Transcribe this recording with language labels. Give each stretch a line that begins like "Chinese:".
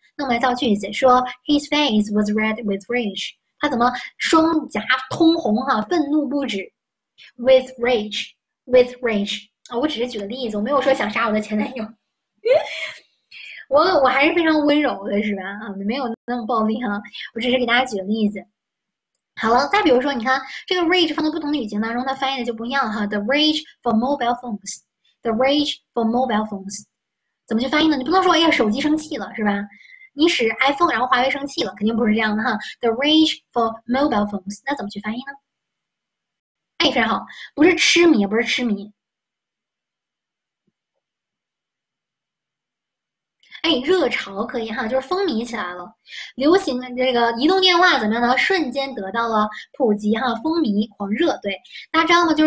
Chinese: 那我们来造句子，说
English: His face was red with rage，
Chinese: 他怎么双颊通红哈、啊，愤怒不止，with rage，with rage 啊、哦，我只是举个例子，我没有说想杀我的前男友，我还是非常温柔的，是吧？啊，没有那么暴力哈、啊，我只是给大家举个例子。好了，再比如说，你看这个 rage 放在不同的语境当中，它翻译的就不一样哈。
English: The rage for mobile phones，the rage for mobile phones，
Chinese: 怎么去翻译呢？你不能说哎呀手机生气了是吧？你使 iPhone 然后华为生气了，肯定不是这样的哈。
English: The rage for mobile phones，
Chinese: 那怎么去翻译呢？哎，非常好，不是痴迷，不是痴迷。哎，热潮可以哈，就是风靡起来了，流行这个移动电话怎么样呢？瞬间得到了普及哈，风靡狂热，对，大家知道吗？